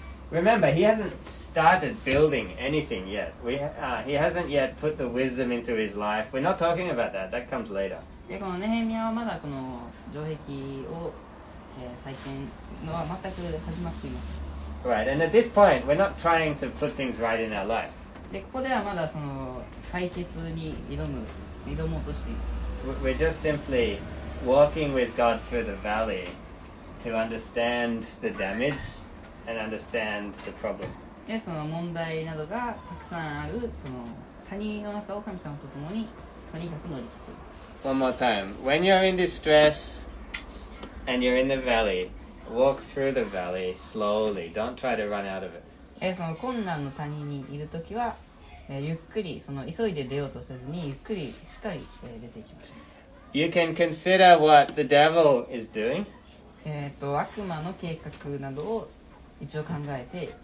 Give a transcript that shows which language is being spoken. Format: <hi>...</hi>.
<en>Remember, he hasn't started building anything yet. He hasn't yet put the wisdom into his life. We're not talking about that. That comes later.</en> <ja>で、このネヘミヤはまだこの城壁を、再建のは全く始まっていません。</ja> <en>Right, and at this point, we're not trying to put things right in our life.</en> <ja>で、ここではまだその解決に挑もうとしています。</ja> <en>We're just simply walking with God through the valley to understand the damage and understand the problem.</en> <ja>で、その問題などがたくさんあるその谷の中を神様とともにとにかく乗り切っています。</ja> <en>One more time. When you're in distress and you're in the valley, walk through the valley slowly. Don't try to run out of it.</en> <ja>その困難の谷にいるときはゆっくりその急いで出ようとせずにゆっくりしっかり、出ていきましょう。</ja> <en>You can consider what the devil is doing.</en> <ja>悪魔の計画などを一応考えて。</ja>